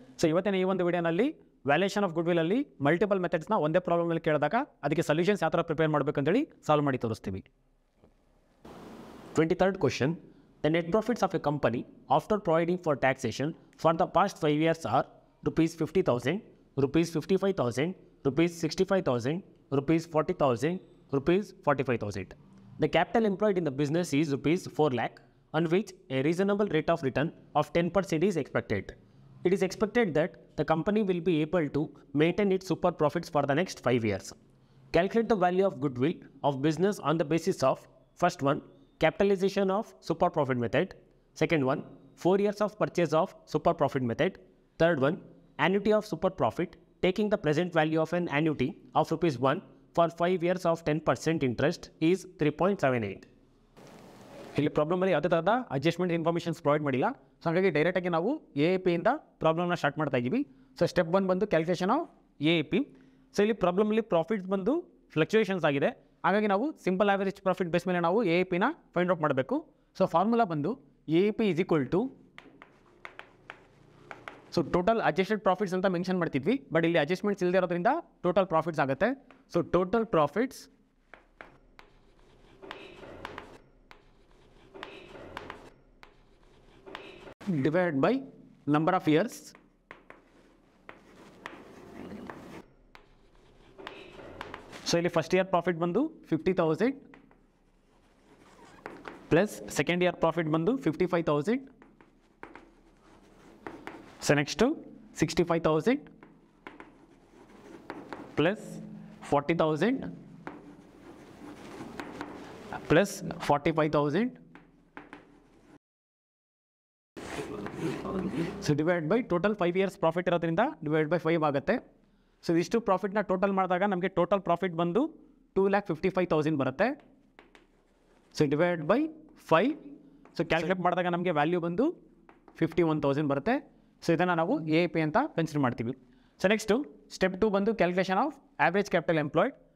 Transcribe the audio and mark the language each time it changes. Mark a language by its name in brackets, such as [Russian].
[Kannada] So ಇವತ್ತಿನ ಈ ಒಂದು ವಿಡಿಯೋನಲ್ಲಿ ವ್ಯಾಲ್ಯೂಯೇಷನ್ ಆಫ್ ಗುಡ್ವಿಲ್ ಅಲ್ಲಿ ಮಲ್ಟಿಪಲ್ ಮೆಥಡ್ಸ್ನ ಒಂದೇ ಪ್ರಾಬ್ಲಮ್ನಲ್ಲಿ ಕೇಳಿದಾಗ ಅದಕ್ಕೆ ಸೊಲ್ಯೂಷನ್ಸ್ ಯಾವ ಥರ ಪ್ರಿಪೇರ್ ಮಾಡಬೇಕಂತೇಳಿ ಸಾಲ್ವ್ ಮಾಡಿ ತೋರಿಸ್ತೀವಿ. [English] 23rd question, the net profits of a company after providing for taxation for the past 5 years are ₹50,000, ₹55,000, ₹65,000, ₹40,000, ₹45,000. The capital employed in the business is ₹4 lakh, on which a reasonable rate of return of 10% is expected. It is expected that the company will be able to maintain its super profits for the next 5 years. Calculate the value of goodwill of business on the basis of, first one, capitalization of super profit method, second one, 4 years of purchase of super profit method, third one, annuity of super profit, taking the present value of an annuity of ₹1 for 5 years of 10% interest is 3.78. [Kannada] ಇಲ್ಲಿ ಪ್ರಾಬ್ಲಮಲ್ಲಿ ಯಾವುದೇ ಥರದ adjustment informations provide ಮಾಡಿಲ್ಲ. So ಹಾಗಾಗಿ ಡೈರೆಕ್ಟಾಗಿ ನಾವು ಎಪಿಯಿಂದ ಪ್ರಾಬ್ಲಮ್ನ start ಮಾಡ್ತಾ ಇದ್ದೀವಿ. So step 1 ಬಂದು ಕ್ಯಾಲ್ಕುಲೇಷನ್ ಆಫ್ ಎಪಿ. ಸೊ ಇಲ್ಲಿ ಪ್ರಾಬ್ಲಮಲ್ಲಿ ಪ್ರಾಫಿಟ್ಸ್ ಬಂದು ಫ್ಲಕ್ಚುಯೇಷನ್ಸ್ ಆಗಿದೆ, ಹಾಗಾಗಿ ನಾವು ಸಿಂಪಲ್ ಆವರೇಜ್ ಪ್ರಾಫಿಟ್ ಬೇಸ್ ಮೇಲೆ ನಾವು ಎಪಿನ ಫೈಂಡ್ ಔಟ್ ಮಾಡಬೇಕು. ಸೊ ಫಾರ್ಮುಲಾ ಬಂದು AP is equal to, so total adjusted profits ಅಂತ ಮೆನ್ಷನ್ ಮಾಡ್ತಿದ್ವಿ, ಬಟ್ ಇಲ್ಲಿ ಅಡ್ಜಸ್ಟ್ಮೆಂಟ್ಸ್ ಇಲ್ಲದೇ ಇರೋದ್ರಿಂದ ಟೋಟಲ್ ಪ್ರಾಫಿಟ್ಸ್ ಆಗುತ್ತೆ. [English] so total profits divided by number of years so ili first year profit bandu 50,000 plus second year profit bandu 55,000 so next to 65,000 plus 40,000 plus 45,000 [Kannada] so divide by total 5 years profit ಇರೋದ್ರಿಂದ divide by 5 ಆಗುತ್ತೆ. So ಇಷ್ಟು ಪ್ರಾಫಿಟ್ನ total ಮಾಡಿದಾಗ ನಮಗೆ total profit ಬಂದು 2,55,000 ಬರುತ್ತೆ. So divide by 5, so calculate ಮಾಡಿದಾಗ ನಮಗೆ value ಬಂದು 51,000 ಬರುತ್ತೆ. ಸೊ ಇದನ್ನು ನಾವು ಎಪಿ ಅಂತ ಕನ್ಸಿಡರ್ ಮಾಡ್ತೀವಿ. ಸೊ ನೆಕ್ಸ್ಟು ಸ್ಟೆಪ್ 2 ಬಂದು calculation of average capital employed.